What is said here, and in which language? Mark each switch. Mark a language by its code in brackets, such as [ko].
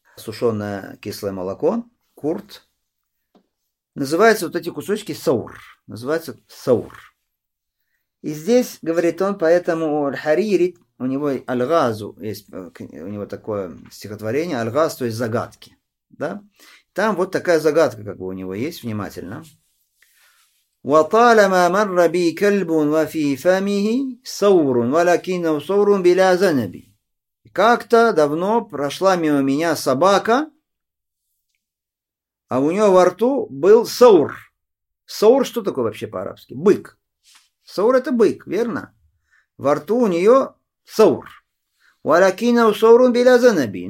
[ru] Сушеное кислое молоко, курт. Называются вот эти кусочки саур. Называются саур. И здесь, говорит он, поэтому аль-харири, у него аль-газу, есть у него такое стихотворение, аль-газ, то есть загадки. Да? Там вот такая загадка как бы у него есть, внимательно. [ar] وطالما مر بي كلب وفي فمه ثور ولكنه ثور بلا ذنب. [ru] Как-то давно прошла мимо меня собака, а у нее во рту был саур. Саур что такое вообще по-арабски? Бык. Саур это бык, верно? Во рту у нее саур. [ar] ولكنه ثور بلا ذنب.